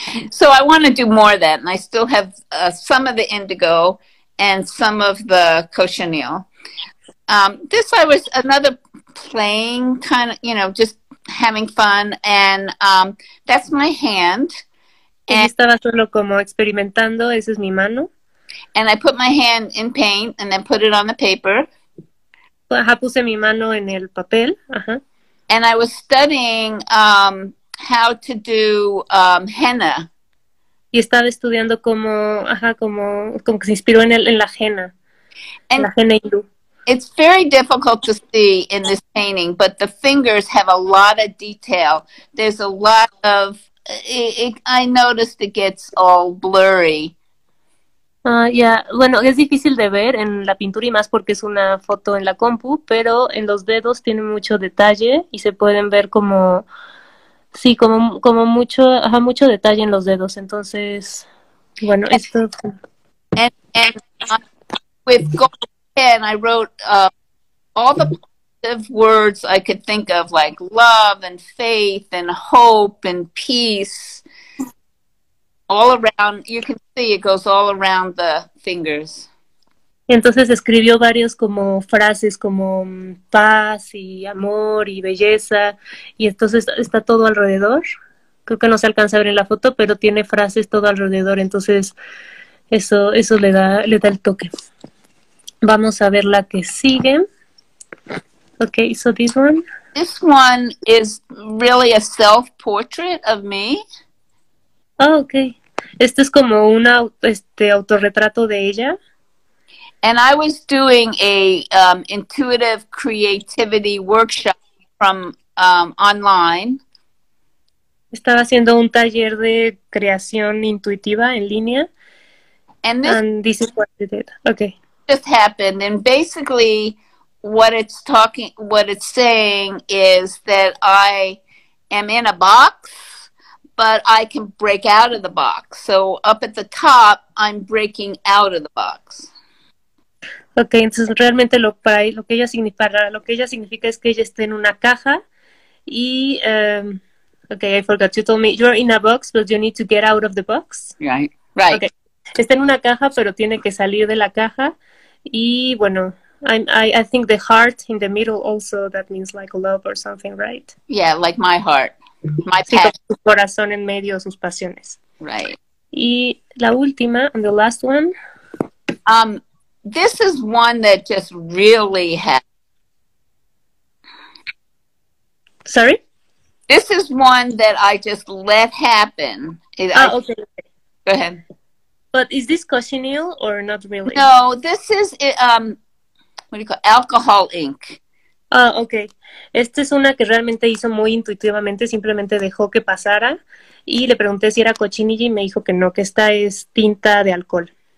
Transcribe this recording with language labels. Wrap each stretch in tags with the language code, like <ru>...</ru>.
<en>So I want to do more of that, and I still have some of the indigo and some of the cochineal. This I was another playing kind of, you know, just having fun. And that's my hand.</en> <es>And estaba solo como experimentando. Esa es mi mano.</es> <en>And I put my hand in paint and then put it on the paper.</en> <es>Ajá, puse mi mano en el papel. Ajá.</es> <en>And I was studying how to do henna.</en> <es>Y estaba estudiando cómo, ajá, como que se inspiró en la henna.</es> <en>And</en> <es>la henna hindú.</es> <en>It's very difficult to see in this painting, but the fingers have a lot of detail. There's a lot of, I noticed it gets all blurry.</en> <es>Bueno, es difícil de ver en la pintura y más porque es una foto en la compu, pero en los dedos tiene mucho detalle y se pueden ver como... Sí, como mucho, ajá, mucho detalle en los dedos. Entonces, bueno, esto.</es> <en>And with gold, and I wrote all the positive words I could think of, like love and faith and hope and peace, all around. You can see it goes all around the fingers.</en> <es>Entonces escribió varios como frases como paz y amor y belleza, y entonces está todo alrededor. Creo que no se alcanza a ver en la foto, pero tiene frases todo alrededor, entonces eso le da el toque. Vamos a ver la que sigue.</es> <en>Okay, so this one. This one is really a self-portrait of me.</en> <es>Oh, okay. Este es como un autorretrato de ella.</es> <en>And I was doing a intuitive creativity workshop from online.</en> <es>Estaba haciendo un taller de creación intuitiva en línea.</es> <en>And this is what it did. Okay. Just happened, and basically what it's saying is that I am in a box, but I can break out of the box. So up at the top, I'm breaking out of the box. Okay,</en> <es>entonces realmente lo que ella significa es que ella está en una caja y</es> <en>okay, I forgot, you told me you're in a box, but you need to get out of the box. Right. Okay.</en> <es>Está en una caja, pero tiene que salir de la caja. Y bueno,</es> <en>I think the heart in the middle also, that means like love or something, right? Yeah, like my heart, my passion.</en> <es>Sí, su corazón en medio, sus pasiones.</es> <en>Right.</en> <es>Y la última,</es> <en>and the last one. This is one that just really has... Sorry? This is one that I just let happen. Okay. Go ahead. But is this cushion ill or not really? No, this is, what do you call it? Alcohol ink. Ah, okay.</en> <es>Esta es una que realmente hizo muy intuitivamente, simplemente dejó que pasara. Y le pregunté si era cochinilla y me dijo que no, que esta es tinta de alcohol.</es>